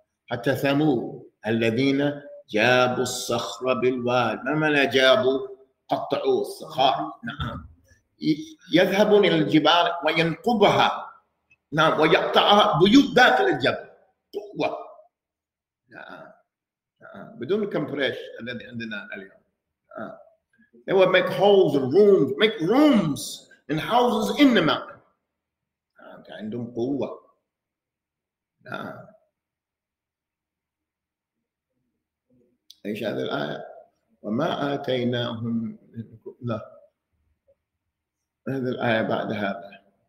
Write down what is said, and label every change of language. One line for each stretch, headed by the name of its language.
Arabic: حتى ثمود الذين جابوا الصخر بالواد, ما جابوا, قطعوا الصخار, نعم, يذهبون إلى الجبال وينقبها, نعم, ويقطعها بيوت داخل الجبل قوة, نعم, نعم, بدون كمبريش الذي عندنا اليوم.
English: They would make holes and rooms, make rooms and houses in the mountain.
Arabic: كان عندهم قوة. نعم, إيش هذه الآية؟ وما آتيناهم, لا, هذه الآية بعد هذا.